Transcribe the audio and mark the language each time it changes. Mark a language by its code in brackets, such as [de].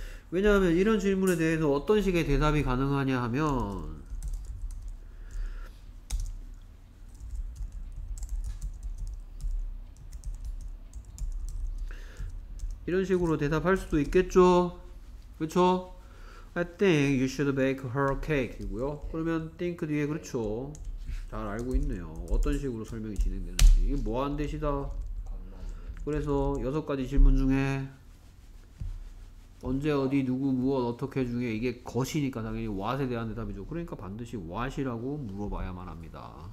[ko] 왜냐하면 이런 질문에 대해서 어떤 식의 대답이 가능하냐 하면 이런 식으로 대답할 수도 있겠죠. 그렇죠? [en] I think you should bake her cake [ko] 이고요. 그러면 think 뒤에 그렇죠. 잘 알고 있네요. 어떤 식으로 설명이 진행되는지. 이게 뭐하는 뜻이다. 그래서 여섯 가지 질문 중에 언제 어디 누구 무엇 어떻게 중에 이게 것이니까 당연히 what에 대한 대답이죠. 그러니까 반드시 what이라고 물어봐야만 합니다.